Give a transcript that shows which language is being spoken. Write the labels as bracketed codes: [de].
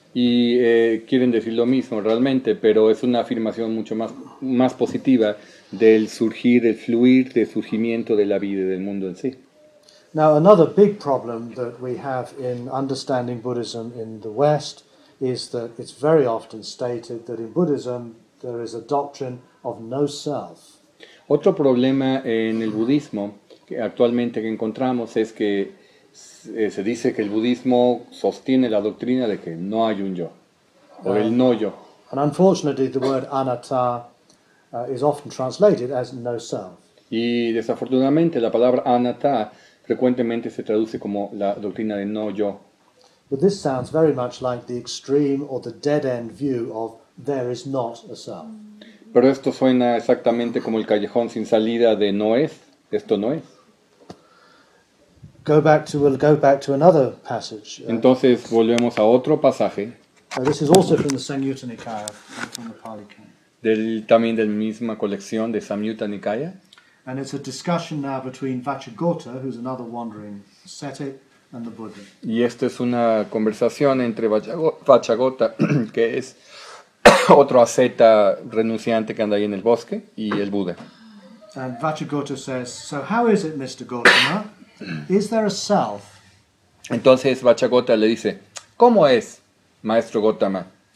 [es] Y quieren decir lo mismo realmente, pero es una afirmación mucho más positiva del surgir, el fluir, del surgimiento de la vida y del mundo en sí. [en] Now, another big problem that we have in understanding Buddhism in the West is that it's very often stated that in Buddhism there is a doctrine of no self. [es] Otro problema en el budismo que actualmente que encontramos es que se dice que el budismo sostiene la doctrina de que no hay un yo, o el no yo. [en] And unfortunately, the word anatta is often translated as no self. [es] Y desafortunadamente, la palabra anatta frecuentemente se traduce como la doctrina de no yo. [en] But this sounds very much like the extreme or the dead end view of there is not a self. [es] Pero esto suena exactamente como el callejón sin salida de no es, esto no es. [en] Go back to another passage. [es] Entonces volvemos a otro pasaje. [en] This is also from the Samyutta Nikaya, from the Pali Canon. [es] También de la misma colección de Samyutta Nikaya. [en] And it's a discussion now between Vachagota, who's another wandering ascetic, and the Buddha. [es] Y esto es una conversación entre Vachagota, que es otro asceta renunciante que anda ahí en el bosque, y el Buda. [en] And Vachagota says, so how is it, Mr. Gautama? Is there a self? [es] Entonces Vachagota le dice, ¿cómo es, Maestro Gautama?